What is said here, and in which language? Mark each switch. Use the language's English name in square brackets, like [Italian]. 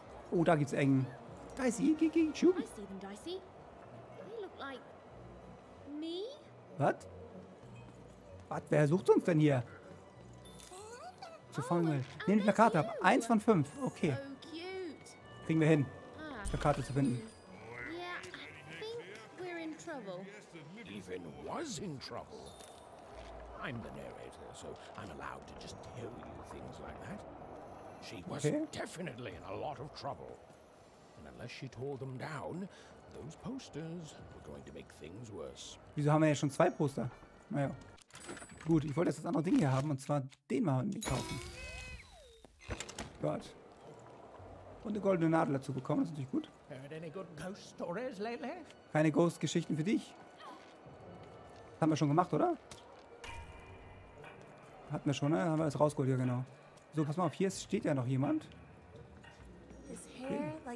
[German] Oh, da gibt's Engen. Dicey, Kiki, Chub. Hi, Stephen Dicey. [English] You look like me? What? What? [German] Wer sucht uns denn hier? Zu fangen. Nehmen die Plakate ab. Eins von fünf. Okay. Kriegen wir hin, Plakate zu finden. [English] Yeah, I think we're in trouble. Even was in trouble. I'm the narrator, so I'm allowed to just tell you things like that. She was definitely in a lot of trouble. Unless she tore them down, those posters were going to make things worse. [German] Wieso haben wir ja schon zwei Poster? Naja. Gut, ich wollte jetzt das andere Ding hier haben, und zwar den mal kaufen. Gott. Und eine goldene Nadel dazu bekommen, das ist natürlich gut. [English] Heard any good ghost stories lately? [German] Keine Ghost-Geschichten für dich. Das haben wir schon gemacht, oder? Hatten wir schon, ne? Haben wir es rausgeholt, ja genau. So, pass mal auf, hier steht ja noch jemand. Okay.